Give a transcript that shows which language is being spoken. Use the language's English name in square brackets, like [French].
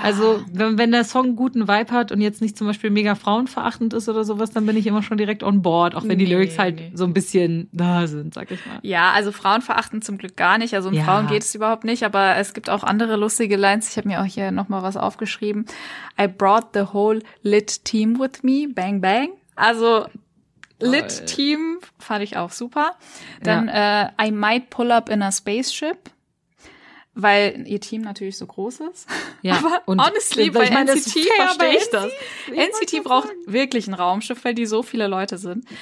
[German] Also wenn der Song einen guten Vibe hat und jetzt nicht zum Beispiel mega frauenverachtend ist oder sowas, dann bin ich immer schon direkt on board. Auch wenn die Lyrics halt so ein bisschen da sind, sag ich mal. Ja, also frauenverachtend zum Glück gar nicht. Also um Frauen geht es überhaupt nicht. Aber es gibt auch andere lustige Lines. Ich habe mir auch hier nochmal was aufgeschrieben. [English] I brought the whole lit team with me. [German] Bang, bang. Also... Lit-Team fand ich auch super. Dann [English] I might pull up in a spaceship, [German] weil ihr Team natürlich so groß ist. Ja, aber und honestly, bei NCT verstehe ich das. NCT braucht wirklich ein Raumschiff, weil die so viele Leute sind.